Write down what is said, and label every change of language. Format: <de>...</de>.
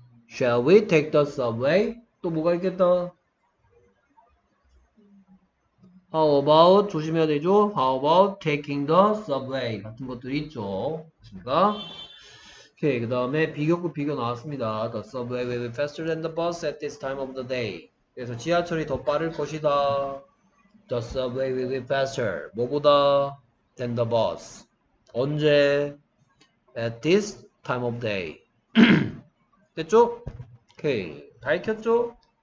<en>Shall we take the subway?</en> <ko>또 뭐가 있겠다?</ko> <en>How about,</en> <ko>조심해야 되죠?</ko> <en>How about taking the subway?</en> <ko>같은 것들이 있죠. 그렇습니까? 오케이, 그 다음에 비교급 비교 나왔습니다.</ko> <en>The subway will be faster than the bus at this time of the day.</en> <ko>그래서 지하철이 더 빠를 것이다.</ko> <en>The subway will be faster.</en> <ko>뭐보다?</ko> <en>Than the bus.</en> <ko>언제?</ko> <en>At this time of day.</en> <ko>됐죠? 오케이, 다 익혔죠?</ko>